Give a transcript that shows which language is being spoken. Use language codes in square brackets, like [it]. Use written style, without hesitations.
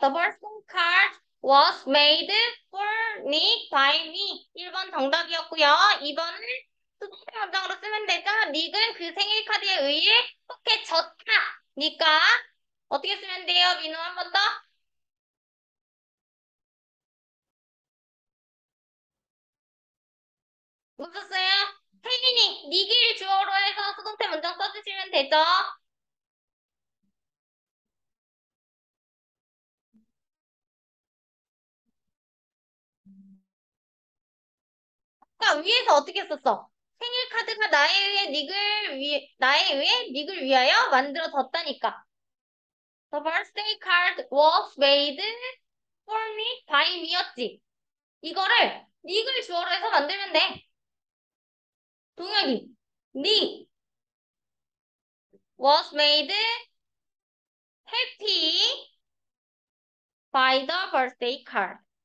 [en] The birthday card was made for me by me. [ko] 1번 정답이었고요. 2번은 수동태 함정으로 쓰면 되죠. 닉은 그 생일카드에 의해 속해졌다니까 어떻게 쓰면 돼요, 민우? 한번 더. 못 썼어요? 혜진이, 닉을 주어로 해서 수동태 문장 써주시면 되죠. 아까 위에서 어떻게 썼어? 생일카드가 나에 의해 닉을 위하여 만들어졌다니까. [en] The birthday card was made for me by me였지. [ko] 이거를 닉을 주어로 해서 만들면 돼. [en] 동혁이, 닉 was made happy by the birthday card.